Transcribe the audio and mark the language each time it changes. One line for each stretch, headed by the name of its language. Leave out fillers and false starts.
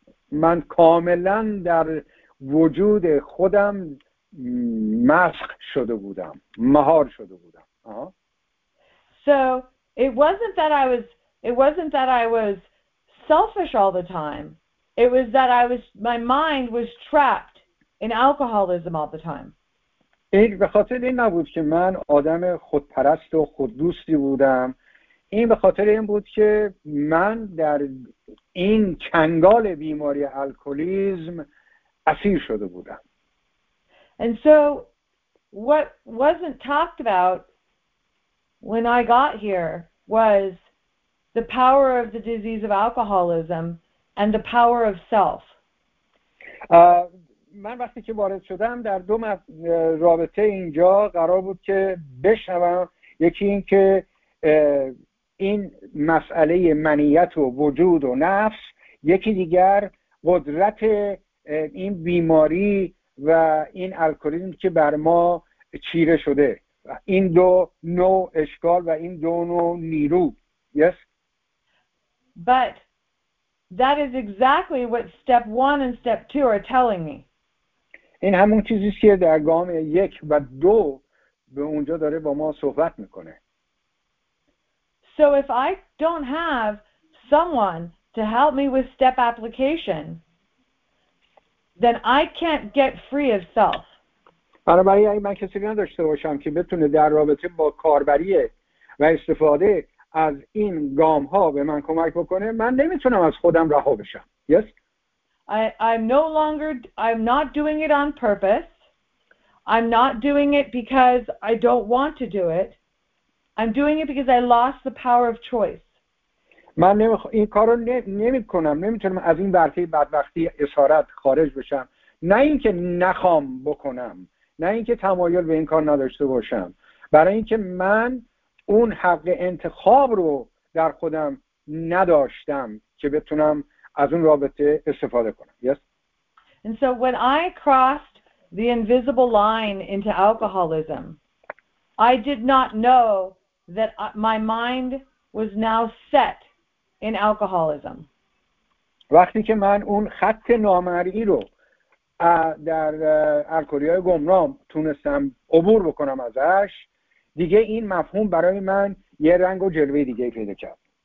Persian: من کاملا در وجود خودم مسخ شده بودم، مهار شده بودم.
English: So it wasn't that I was selfish all the time. It was that I was my mind was trapped in alcoholism all the time.
Persian: این به خاطر این نبود که من آدم خودپرست و خوددوستی بودم. این به خاطر این بود که من در این چنگال بیماری الکلیزم اسیر شده بودم. And so what wasn't talked about when I got here was the power of the disease of alcoholism and the power of self. من وقتی که وارد شدم در دو رابطه اینجا قرار بود که بشنوم، یکی این که این مسئله منیت و وجود و نفس، یکی دیگر قدرت این بیماری و این الکلیزم که بر ما چیره شده، این دو نوع اشکال و این دو نوع نیرو.
English: Yes. But that is exactly what step 1 and step 2 are telling me.
Persian: این همون چیزی است که در گام 1 و 2 به اونجا داره با ما صحبت میکنه.
English: So if I don't have someone to help me with step application, then I can't get free of self.
Persian: بنابراین من کسی نداشته باشم که بتونه در رابطه با کاربری و استفاده از این گام ها به من کمک بکنه، من نمیتونم از خودم رها بشم.
English: Yes? I'm not doing it on purpose. I'm not doing it because I don't want to do it. I'm doing it because I lost the power of choice.
Persian: من این کارو نمی‌کنم. نمی‌تونم از این برتری بدبختی اسارت خارج بشم. نه اینکه نخوام بکنم، نه اینکه تمایل به این کار نداشته باشم. برای اینکه من اون حق انتخاب رو در خودم نداشتم که بتونم از اون رابطه استفاده کنم.
English: Yes. And so when I crossed the invisible line into alcoholism, I did not know that my mind was now set in alcoholism.
Persian: وقتی که من اون خط نامرئی رو در الکلی‌های گمنام تونستم عبور بکنم ازش، دیگه این مفهوم برای من یه رنگ و جلوه دیگه پیدا کرد.